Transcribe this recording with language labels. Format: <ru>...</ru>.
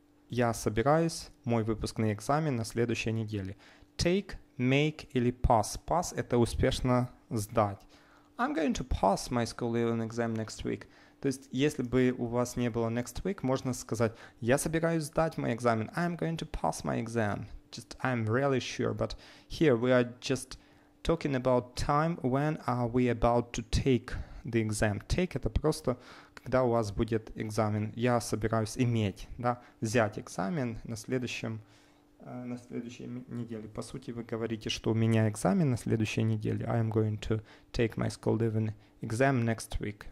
<ru>Я собираюсь мой выпускный экзамен на следующей неделе. Take make или pass. Pass – это успешно сдать.</ru> <en>I'm going to pass my school leaving exam next week.</en> <ru>То есть, если бы у вас не было next week, можно сказать, я собираюсь сдать мой экзамен.</ru> <en>I'm going to pass my exam. Just, I'm really sure. But here we are just talking about time. When are we about to take the exam?</en> <ru>Take – это просто когда у вас будет экзамен. Я собираюсь иметь, да, взять экзамен на следующем, на следующей неделе. По сути, вы говорите, что у меня экзамен на следующей неделе.</ru> <en>I am going to take my school leaving exam next week.</en>